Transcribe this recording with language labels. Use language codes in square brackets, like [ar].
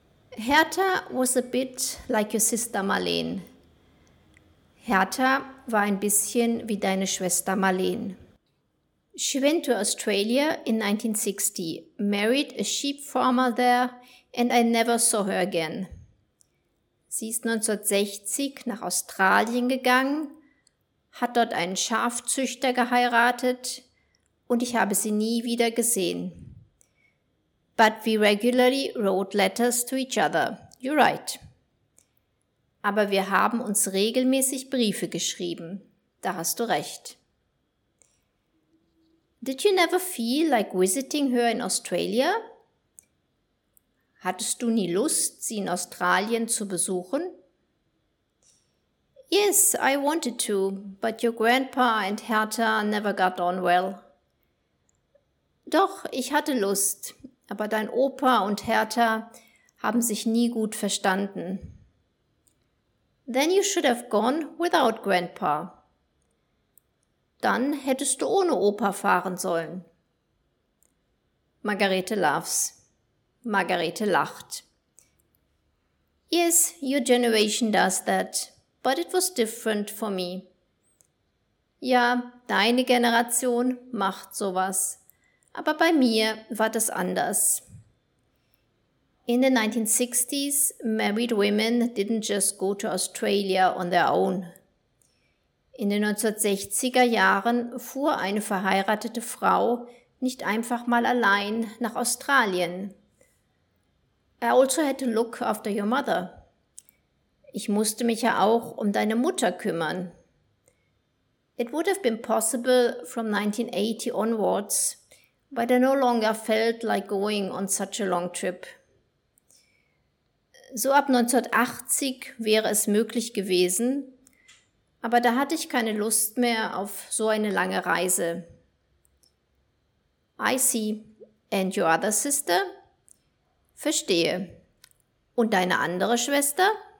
[en] Hertha was a bit like your sister Marlene. [de] Hertha war ein bisschen wie deine Schwester Marlene. [en] She went to Australia in 1960, married a sheep farmer there, and I never saw her again. [de] Sie ist 1960 nach Australien gegangen, hat dort einen Schafzüchter geheiratet und ich habe sie nie wieder gesehen. [en] But we regularly wrote letters to each other. You're right. [de] Aber wir haben uns regelmäßig Briefe geschrieben. Da hast du recht. [en] Did you never feel like visiting her in Australia? [de] Hattest du nie Lust, sie in Australien zu besuchen? [en] Yes, I wanted to, but your grandpa and Hertha never got on well. [de] Doch, ich hatte Lust, aber dein Opa und Hertha haben sich nie gut verstanden. [en] Then you should have gone without grandpa. [de] Dann hättest du ohne Opa fahren sollen. [en] Margarete laughs. [de] Margarete lacht. [en] Yes, your generation does that, but it was different for me. [de] Ja, deine Generation macht sowas, aber bei mir war das anders. [en] In the 1960s, married women didn't just go to Australia on their own. [de] In den 1960er Jahren fuhr eine verheiratete Frau nicht einfach mal allein nach Australien. [en] I also had to look after your mother. [de] Ich musste mich ja auch um deine Mutter kümmern. [en] It would have been possible from 1980 onwards, but I no longer felt like going on such a long trip. [de] So ab 1980 wäre es möglich gewesen, aber da hatte ich keine Lust mehr auf so eine lange Reise. [en] I see. And your other sister? [de] Verstehe. Und deine andere Schwester?